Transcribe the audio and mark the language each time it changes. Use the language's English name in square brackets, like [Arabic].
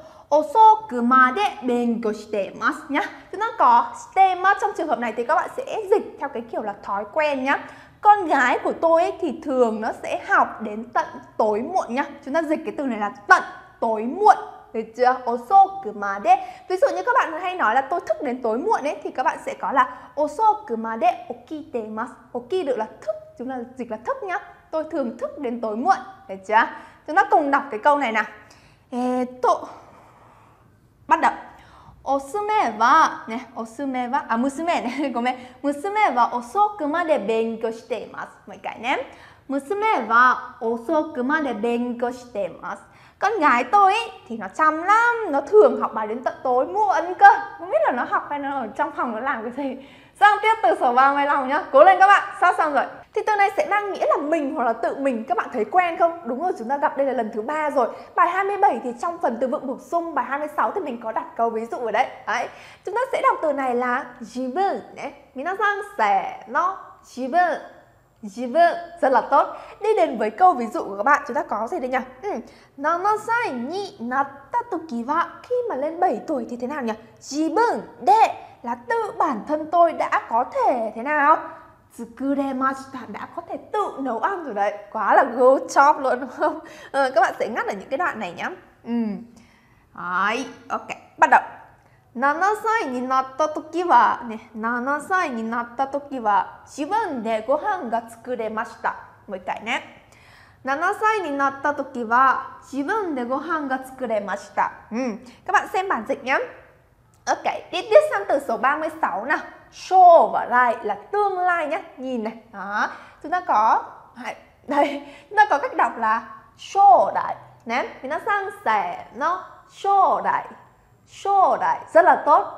[Japanese] 遅くまで勉強してます [Vietnamese] nhá. Thì nó có してます trong trường hợp này thì các bạn sẽ dịch theo cái kiểu là thói quen nhá. Con gái của tôi ấy thì thường nó sẽ học đến tận tối muộn nhá. Chúng ta dịch cái từ này là tận tối muộn. Được chưa? 遅くまで. Ví dụ như các bạn hay nói là tôi thức đến tối muộn ấy thì các bạn sẽ có là [Japanese] 遅くまで起きてます. [Vietnamese] 起きる là thức, chúng ta dịch là thức nhá. Tôi thường thức đến tối muộn. Được chưa? Chúng ta cùng đọc cái câu này nào. Bắt đầu. [Japanese] おすめは、ね、おすめは、あ、娘ね、ごめん。娘は遅くまで勉強しています。もう一回ね。娘は遅くまで勉強しています。 [Vietnamese] Con gái tôi thì nó chăm lắm, nó thường học bài đến tận tối muộn cơ. Không biết là nó học hay nó ở trong phòng nó làm cái gì. Sang tiếp từ sổ vào ngoài lòng nhá. Cố lên các bạn, sao xong rồi. Thì từ này sẽ mang nghĩa là mình hoặc là tự mình. Các bạn thấy quen không? Đúng rồi, chúng ta gặp đây là lần thứ 3 rồi. Bài 27 thì trong phần từ vựng bổ sung, bài 26 thì mình có đặt câu ví dụ ở đấy. Đấy. Chúng ta sẽ đọc từ này là 自分. Mình sang sẻ nó 自分. 自分, rất là tốt. Đi đến với câu ví dụ của các bạn, chúng ta có gì đây nhỉ? [Japanese] 7歳になった時は, [Vietnamese] khi mà lên 7 tuổi thì thế nào nhỉ? [Japanese] 自分で, [Vietnamese] là tự bản thân tôi đã có thể thế nào? [Japanese] 作れました, [Vietnamese] đã có thể tự nấu ăn rồi đấy. Quá là go chop luôn đúng không? Ừ, các bạn sẽ ngắt ở những cái đoạn này nhé. Ừ. Đấy, ok, bắt đầu. [Japanese] 7歳になった時は、ね、7歳になった時は自分でご飯が作れました。もう一回ね。 7歳になった時は自分でご飯が作れました。 [Vietnamese] うん。các bạn xem bản dịch nhé。 OK, tiếp tiếp sang từ số 36 nè. Show và lại là tương lai nhé. Nhìn này, đó. Chúng ta có, đây, chúng ta có cách đọc là show đại. Nè, mình nói sang sẻ nó show đại. Show đại rất là tốt.